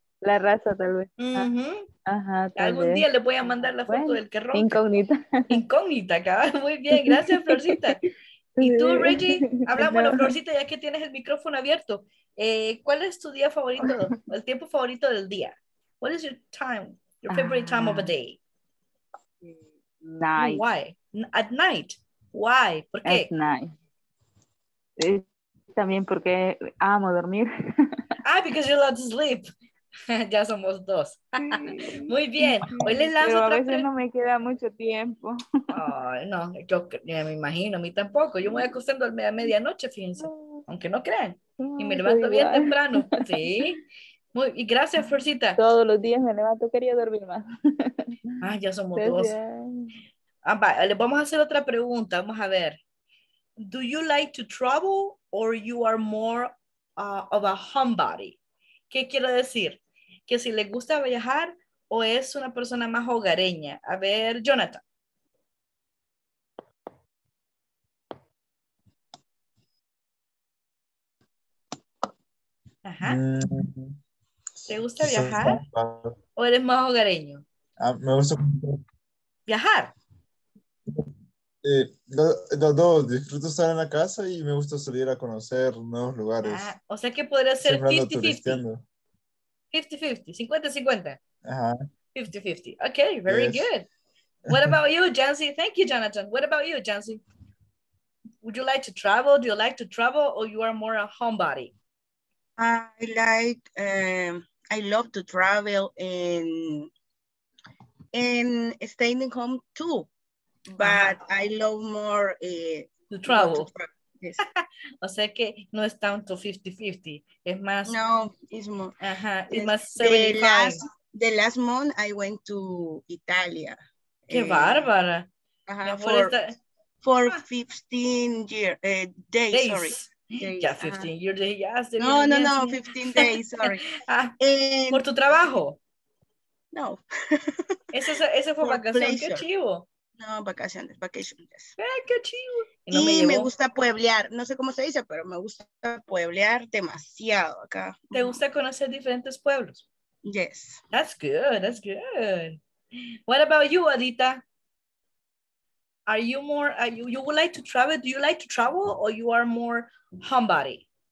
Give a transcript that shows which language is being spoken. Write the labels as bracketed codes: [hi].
[es] La raza, tal vez. Uh-huh. Ajá, algún día le voy a mandar la foto del que ronca. Incógnita. Incógnita, cabal, muy bien, gracias, Florcita. Y tú, Reggie, hablamos, Florcita, ya que tienes el micrófono abierto. ¿Cuál es tu día favorito, el tiempo favorito del día? [en] What is your time, your favorite time of a day? Night. Why? At night. Why? [es] ¿Por qué? [en] At night. [es] También porque amo dormir. [en] Ah, because you love to sleep. [es] Ya somos dos. Muy bien. Hoy les lanzo otra pregunta. Pero a veces no me queda mucho tiempo. Ay, no, yo me imagino, a mí tampoco. Yo me voy acostando a medianoche, fíjense. Aunque no crean. Y me levanto bien temprano. Sí. Muy, y gracias, Florcita. Todos los días me levanto, quería dormir más. Ah, ya somos dos. Le vamos a hacer otra pregunta. Vamos a ver. [en] Do you like to travel or you are more of a homebody? [es] ¿Qué quiero decir? Que si le gusta viajar o es una persona más hogareña. A ver, Jonathan. Ajá. ¿Te gusta viajar o eres más hogareño? Ah, me gusta viajar. Los dos, disfruto estar en la casa y me gusta salir a conocer nuevos lugares. Ah, o sea que podría ser 50-50. 50-50. Ajá. [en] 50-50. Okay, very yes. Good. What about you, Jancy? Thank you, Jonathan. What about you, Jancy? Would you like to travel? Do you like to travel or you are more a homebody? I love to travel and staying home too, but I love more to travel. [es] Yes. O sea que no es tanto 50-50, es más. [en] No, it's more. Uh-huh. It's más 75. The last month I went to Italia. [es] Qué bárbara. [en] For 15 year, days. Sorry. Days. Ya, 15 years. Ya, no, 15 days, sorry. [es] ¿Por tu trabajo? No. ¿Ese fue vacación? ¡Qué chivo! No, vacaciones, yes. ¡Qué chivo! Y no me gusta pueblear, no sé cómo se dice, pero me gusta pueblear demasiado acá. ¿Te gusta conocer diferentes pueblos? [en] Yes. That's good, that's good. What about you, Adita? Are you more, you would like to travel? Do you like to travel or you are more homebody?